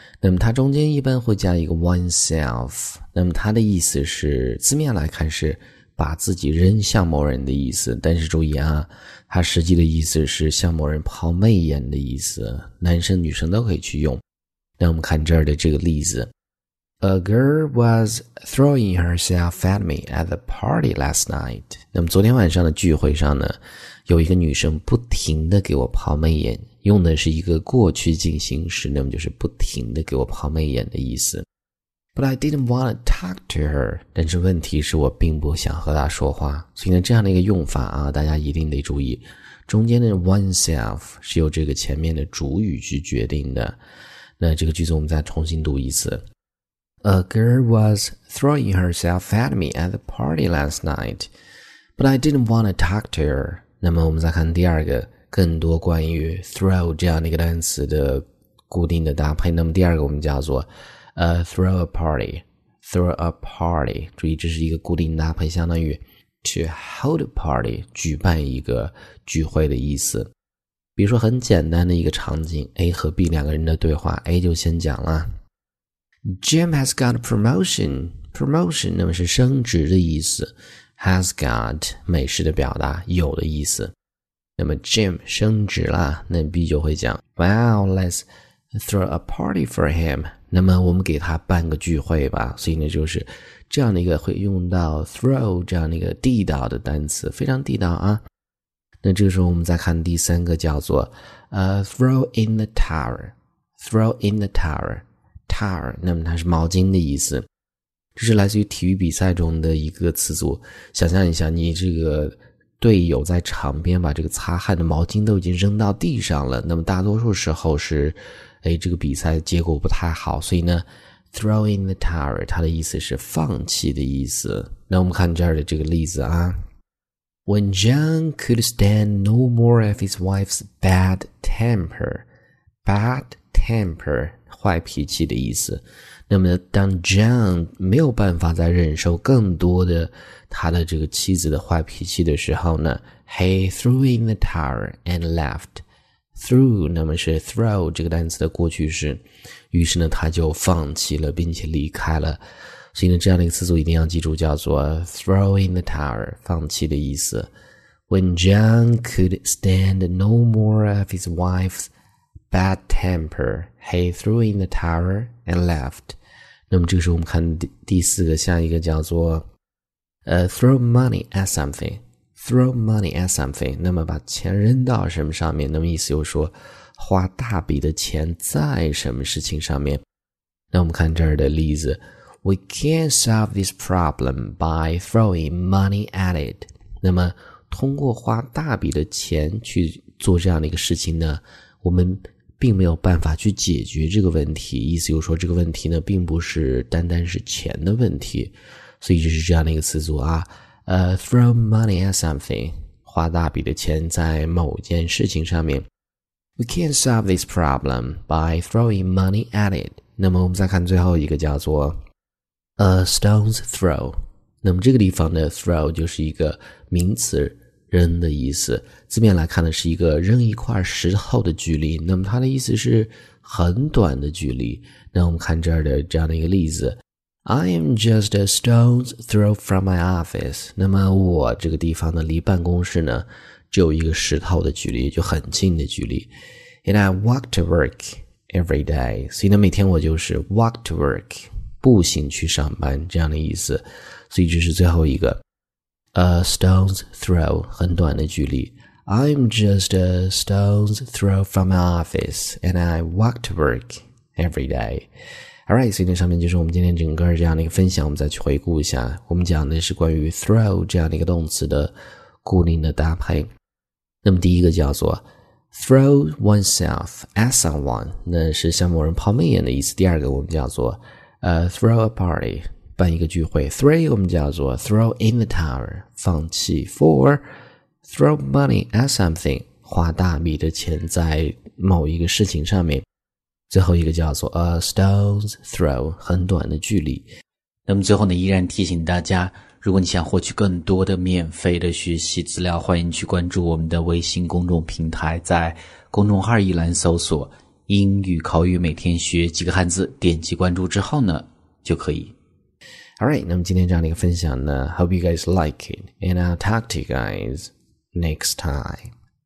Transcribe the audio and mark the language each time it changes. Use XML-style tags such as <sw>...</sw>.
<zh>那么它中间一般会加一个 oneself， 那么它的意思是字面来看是把自己扔向某人的意思，但是注意啊，它实际的意思是向某人抛媚眼的意思，男生女生都可以去用。那我们看这儿的这个例子。</zh> <en>A girl was throwing herself at me at the party last night.</en> <zh>那么昨天晚上的聚会上呢，有一个女生不停地给我抛媚眼，用的是一个过去进行时，那么就是不停地给我抛媚眼的意思。</zh> <en>But I didn't want to talk to her.</en> <zh>但是问题是我并不想和她说话。所以呢，这样的一个用法啊，大家一定得注意。中间的 oneself 是由这个前面的主语去决定的。那这个句子我们再重新读一次。</zh> <en>A girl was throwing herself at me at the party last night, but I didn't want to talk to her.</en> <zh>那么我们再看第二个，更多关于 throw 这样的一个单词的固定的搭配。那么第二个我们叫做</zh> <en>throw a party, throw a party.</en> <zh>注意这是一个固定搭配，相当于 to hold a party, 举办一个聚会的意思。比如说很简单的一个场景， A 和 B 两个人的对话， A 就先讲了。</zh> <en>Jim has got a promotion. Promotion,</en> <zh>那么是升职的意思。</zh> <en>Has got,</en> <zh>美式的表达，有的意思。那么 Jim 升职了，那 B 就会讲</zh> <en>Wow, let's throw a party for him.</en> <zh>那么我们给他办个聚会吧。所以呢，就是这样的一个会用到 throw 这样的一个地道的单词，非常地道啊。那这个时候我们再看第三个，叫做</zh> <en>throw in the towel,</en> <zh>throw in the towel, towel, 那么它是毛巾的意思。这是来自于体育比赛中的一个词组。想象一下，你这个队友在场边把这个擦汗的毛巾都已经扔到地上了，那么大多数时候是这个比赛结果不太好，所以呢 throw in the towel, 它的意思是放弃的意思。那我们看这儿的这个例子啊。</zh> <en>When John could stand no more of his wife's bad temper, bad temper,</en> <zh>坏脾气的意思。那么当 John 没有办法再忍受更多的他的这个妻子的坏脾气的时候呢，</zh> <en>he threw in the towel and left.</en> <zh>threw, 那么是 throw 这个单词的过去式。于是呢，他就放弃了并且离开了。所以呢，这样的一个词组一定要记住，叫做</zh> <en>throw in the towel,</en> <zh>放弃的意思。</zh> <en>When John could stand no more of his wife's bad temper, he threw in the towel and left.</en> <zh>那么这个时候我们看 第四个，下一个叫做</zh> <en>throw money at something,</en> <zh>throw money at something, 那么把钱扔到什么上面，那么意思就是说花大笔的钱在什么事情上面。那我们看这儿的例子。</zh> <en>We can't solve this problem by throwing money at it.</en> <zh>那么通过花大笔的钱去做这样的一个事情呢，我们并没有办法去解决这个问题。意思就是说这个问题呢并不是单单是钱的问题。所以就是这样的一个词组啊。</zh> <en>Throw money at something,</en> <zh>花大笔的钱在某件事情上面。</zh> <en>We can't solve this problem by throwing money at it.</en> <zh>那么我们再看最后一个，叫做</zh> <en>A stone's throw.</en> <zh>那么这个地方的 throw 就是一个名词，扔的意思。字面来看呢，是一个扔一块石头的距离。那么它的意思是很短的距离。那我们看这儿的这样的一个例子。</zh> <en>I am just a stone's throw from my office.</en> <zh>那么我这个地方呢，离办公室呢，只有一个石头的距离，就很近的距离。</zh> <en>And I walk to work every day.</en> <zh>所以呢，每天我就是</zh> <en>walk to work.</en> <zh>步行去上班这样的意思。所以这是最后一个</zh> <en>A stone's throw,</en> <zh>很短的距离。</zh> <en>I'm just a stone's throw from my office and I walk to work every day.</en> <zh>Alright, 所以这上面就是我们今天整个这样的一个分享。我们再去回顾一下，我们讲的是关于 throw 这样的一个动词的固定的搭配。那么第一个叫做</zh> <en>throw oneself at someone,</en> <zh>那是向某人抛媚眼的意思。第二个我们叫做</zh> <en>throw a party,</en> <zh>办一个聚会。 three 我们叫做</zh> <en>throw in the towel,</en> <zh>放弃。 four,</zh> <en>throw money at something,</en> <zh>花大笔的钱在某一个事情上面。最后一个叫做</zh> <en>A Stone's Throw，</en> <zh>很短的距离。那么最后呢，依然提醒大家，如果你想获取更多的免费的学习资料，欢迎去关注我们的微信公众平台，在公众号一栏搜索英语口语每天学几个汉字，点击关注之后呢就可以。</zh> <en>Alright，</en> <zh>那么今天这样的一个分享呢，</zh> <en>Hope you guys like it, and I'll talk to you guys next time.</en>